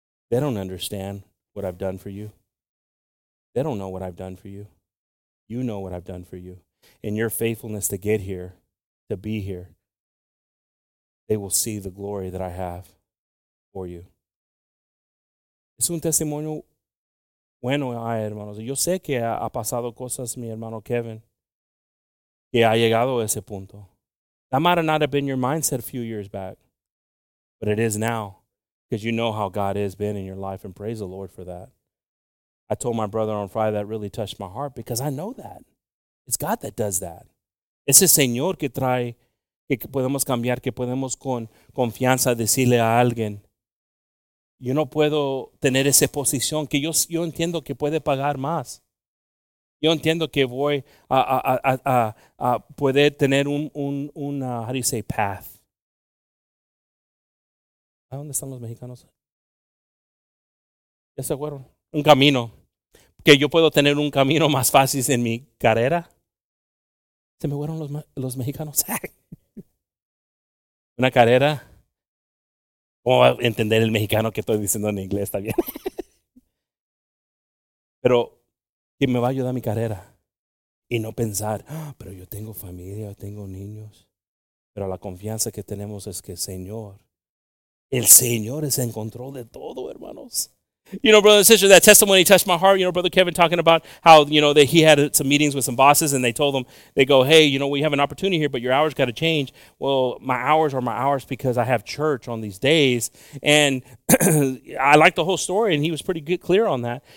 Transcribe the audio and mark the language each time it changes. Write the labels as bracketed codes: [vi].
[en] They don't understand what I've done for you. They don't know what I've done for you. You know what I've done for you. And your faithfulness to get here, to be here, they will see the glory that I have for you. [es] Es un testimonio bueno, hermanos. Yo sé que ha pasado cosas, mi hermano Kevin, que ha llegado a ese punto. [en] That might have not have been your mindset a few years back, but it is now, because you know how God has been in your life, and praise the Lord for that. I told my brother on Friday that really touched my heart, because I know that. It's God that does that. [es] Es el Señor que trae, que podemos cambiar, que podemos con confianza decirle a alguien, yo no puedo tener esa posición, que yo entiendo que puede pagar más. Yo entiendo que voy a poder tener [en] how do you say, path. [es] ¿A dónde están los mexicanos? ¿Ya se acuerdan? Un camino. Que yo puedo tener un camino más fácil en mi carrera. ¿Se me fueron los mexicanos? Una carrera. ¿Cómo va a entender el mexicano que estoy diciendo en inglés? Está bien. Pero que me va a ayudar mi carrera. Y no pensar, ah, pero yo tengo familia, tengo niños. Pero la confianza que tenemos es que Señor, el Señor es en control de todo, hermanos. [en] You know, brother and sister, that testimony touched my heart. You know, Brother Kevin talking about how, you know, that he had some meetings with some bosses and they told him, they go, hey, you know, we have an opportunity here, but your hours got to change. Well, my hours are my hours because I have church on these days. And I like the whole story, and he was pretty good, clear on that.